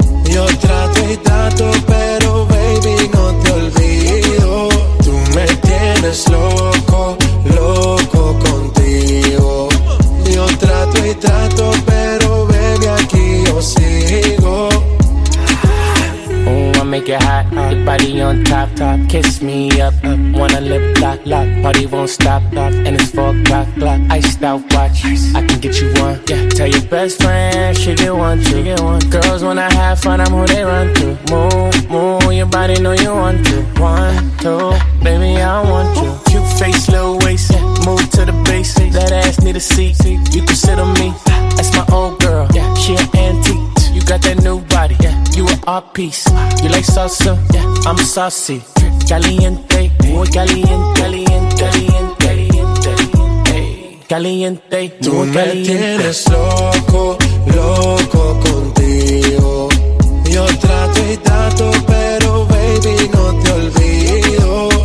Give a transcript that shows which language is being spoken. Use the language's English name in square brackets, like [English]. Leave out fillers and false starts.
[Spanish] Yo trato y trato, pero baby, no te olvido. Tú me tienes loco, loco contigo. Yo trato y trato, pero baby, aquí yo sigo. [English] Make it hot, your body on top, top. Kiss me up, up. Wanna lip lock, lock. Party won't stop, lock. And it's 4 o'clock, iced out watch. Ice. I can get you one, yeah. Tell your best friend, she get one, she get one. Girls wanna have fun, I'm who they run to. Move, move, your body know you want to. One, two, baby, I want you. Cute face, little waist, yeah. Move to the basics. That ass need a seat, you can sit on me. That's my old girl, yeah. She an antique. You got that new body, yeah. You an art piece. You like salsa, yeah. I'm saucy. [Spanish] Caliente, muy caliente, caliente, caliente, caliente, caliente. Tú me tienes loco, loco contigo. Yo trato y trato, pero baby, no te olvido.